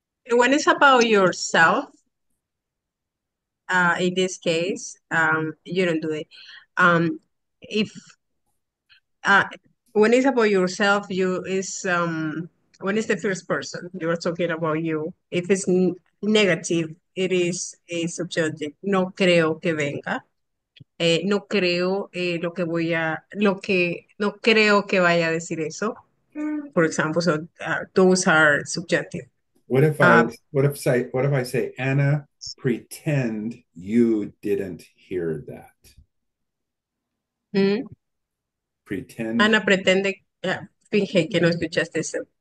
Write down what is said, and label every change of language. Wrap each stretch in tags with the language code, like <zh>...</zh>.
<en>When it's about yourself, in this case, you don't do it. When it's about yourself, you is when it's the first person you are talking about you. If it's n negative, it is a subjective.</en> <es>No creo que venga. No creo lo que voy a lo que no creo que vaya a decir eso.</es> <en>For example, so those are subjective. What if I say, Anna, pretend you didn't hear that? Pretend.</en> <es>Ana pretende, finge que no escuchaste eso.</es>